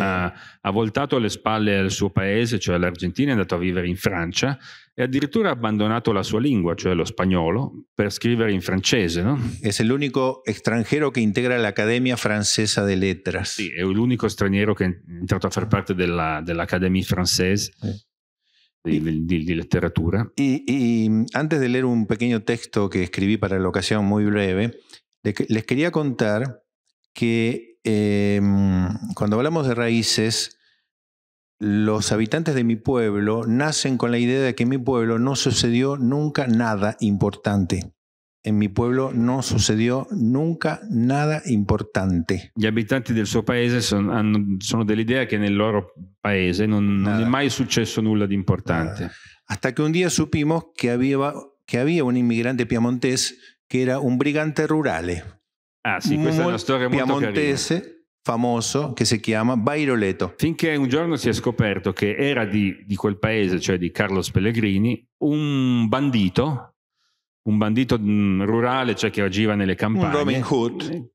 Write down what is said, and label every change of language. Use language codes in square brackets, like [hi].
[it] ha voltato le spalle al suo paese, cioè all'Argentina, è andato a vivere in Francia e addirittura ha abbandonato la sua lingua, cioè lo spagnolo, per scrivere in francese, no? È l'unico straniero che integra l'Accademia Francese delle Lettere. Sì, è l'unico straniero che è entrato a far parte dell'Académie Française. Sì. Di letteratura. [es] Y antes de leer un pequeño texto que escribí para la ocasión, muy breve, les quería contar que cuando hablamos de raíces, los habitantes de mi pueblo nacen con la idea de que en mi pueblo no sucedió nunca nada importante. En mi pueblo no sucedió nunca nada importante. [it] Gli abitanti del suo paese sono dell'idea che nel loro paese non è mai successo nulla di importante. [es] Nada. Hasta que un día supimos que había un inmigrante piemontés que era un [it] brigante rurale. Ah, sì, questa è una storia piemontese, molto carina. Famoso, che si chiama Bairoletto. Finché un giorno si è scoperto che era di quel paese, cioè di Carlos Pellegrini, un bandito rurale, cioè che agiva nelle campagne. [es] Un Robin Hood.